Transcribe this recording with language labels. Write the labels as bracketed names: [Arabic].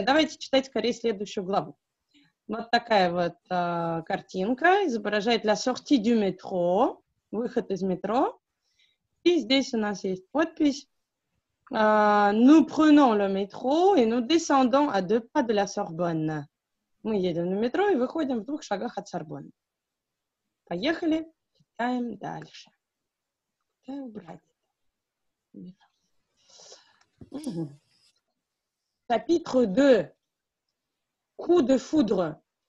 [Russian] Давайте читать скорее следующую главу. Вот такая вот картинка изображает [French] la sortie du métro, [Russian] выход из метро. И здесь у нас есть подпись. [French] Nous prenons le métro et nous descendons à deux pas de la Sorbonne. [Russian] Мы едем на метро и выходим в двух шагах от Сорбонны. Поехали, читаем дальше. Куда убрать? [French] Chapitre 2. Coup de foudre.